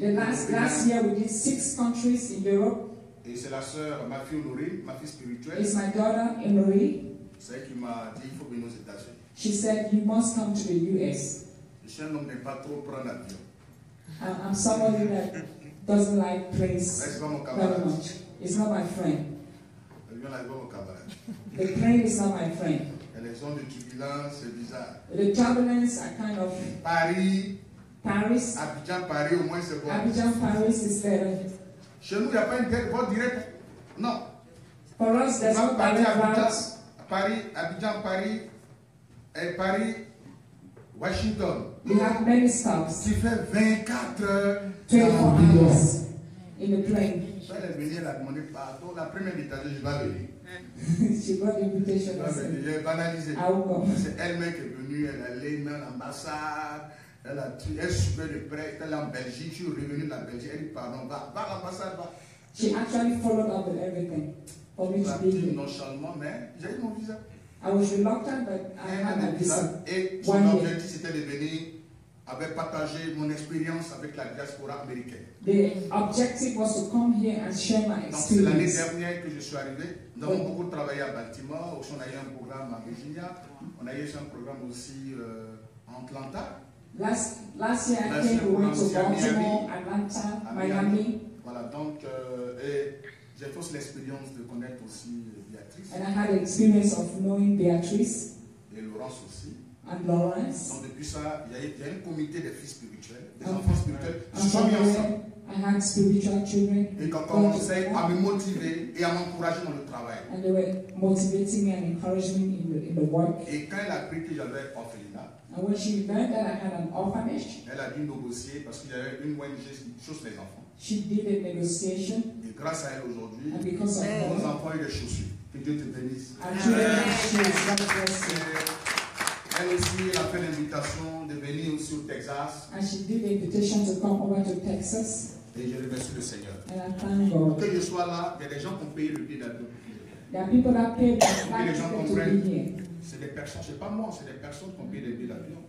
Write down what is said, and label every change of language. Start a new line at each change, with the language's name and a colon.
English: The last year, we did six countries in Europe.
French: Et c'est la sœur, ma fille Honoré, ma fille spirituelle.
English: It's my daughter, Honoré.
French: C'est elle qui m'a dit il faut venir aux États-Unis.
English: She said you must come to the U.S.
French: Je suis un homme n'aime pas trop prendre l'avion.
English: I'm somebody that doesn't like planes very much. It's not my friend.
French: L'avion n'est pas mon camarade.
English: The plane is not my friend.
French: Et les zones de turbulence, c'est bizarre.
English: The turbulence are kind of.
French: Paris. Abidjan, Paris, au moins c'est bon.
English: Abidjan, Paris is there.
French: Chez nous, il n'y a pas une vol direct. Non.
English: For us, there's no direct. Paris, Washington. We have many stops.
French: Tu fais 24 heures.
English: 24 hours in the plane.
French: Je vais venir la demander pardon. La première invitation, je vais venir.
English: She brought invitation.
French: Je vais banaliser.
English: I will come.
French: C'est elle-même qui est venue. Elle est allée dans l'ambassade. Elle suivait de près. Elle est en Belgique. Je suis revenue de la Belgique. Elle dit pardon. Va l'ambassade. Va.
English: She actually followed up with everything.
French: Nonchalamment, mais j'ai eu mon visa.
English: I was reluctant, but I had a visa.
French: Et mon objectif c'était de venir avec partager mon expérience avec la diaspora américaine.
English: The objective was to come here and share my experience.
French: Donc c'est l'année dernière que je suis arrivé. Nous avons beaucoup travaillé à Baltimore. Aussi, on a eu un programme à Virginia. On a eu un programme aussi Atlanta.
English: Last year I came to Baltimore, Atlanta, Miami.
French: Voilà, donc, et j'ai aussi l'expérience de connaître aussi Béatrice.
English: And I had experience of knowing Beatrice.
French: Et Laurence aussi.
English: And Laurence.
French: Donc depuis ça, il y a un comité des fils spirituels, des enfants spirituels, qui sont mis ensemble.
English: I had spiritual children.
French: Et qui ont commencé à me motiver et à m'encourager dans le travail.
English: And they were motivating me and encouraging me in the work.
French: Et quand elle a appris que j'avais orphelinat.
English: And when she learned that I had an orphanage,
French: elle a dû négocier parce qu'il y avait une ONG qui chausse les enfants.
English: She did a negotiation.
French: Et grâce à elle aujourd'hui,
English: and because of her,
French: nos enfants ont des chaussures. Que Dieu te bénisse. Elle aussi a fait l'invitation de venir aussi au Texas.
English: And she did the invitation to come over to Texas.
French: Et je remercie le Seigneur.
English: And I thank God.
French: Que je sois là, il y a des gens qui ont payé le prix d'être.
English: There are people that pay the flight to be here.
French: C'est des personnes, c'est pas moi, c'est des personnes qui ont payé le prix d'avion.